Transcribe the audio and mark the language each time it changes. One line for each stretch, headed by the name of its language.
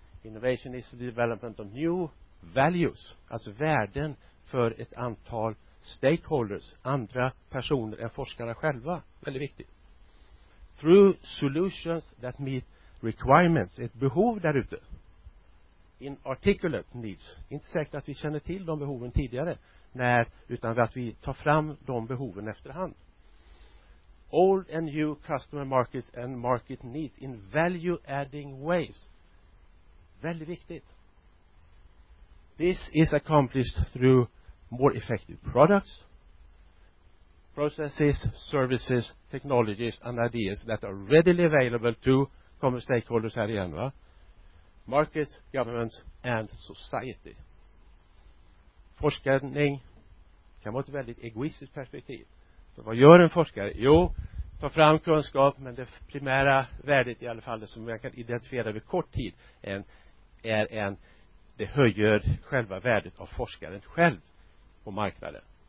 English: Innovation is the development of new values,
Swedish: alltså värden för ett antal stakeholders, andra personer än forskarna själva. Väldigt viktigt.
English: Through solutions that meet requirements,
Swedish: ett behov där ute.
English: In articulate needs.
Swedish: Inte säkert att vi känner till de behoven tidigare, när, utan att vi tar fram de behoven efterhand.
English: Old and new customer markets and market needs in value adding ways.
Swedish: Väldigt viktigt.
English: This is accomplished through more effective products, processes, services, technologies and ideas that are readily available to common stakeholders
Swedish: här igen, va?
English: Markets, governments and society.
Swedish: Forskning kan vara ett väldigt egoistiskt perspektiv. För vad gör en forskare? Jo, ta fram kunskap, men det primära värdet i alla fall som man kan identifiera vid kort tid är en, det höjer själva värdet av forskaren själv på marknaden.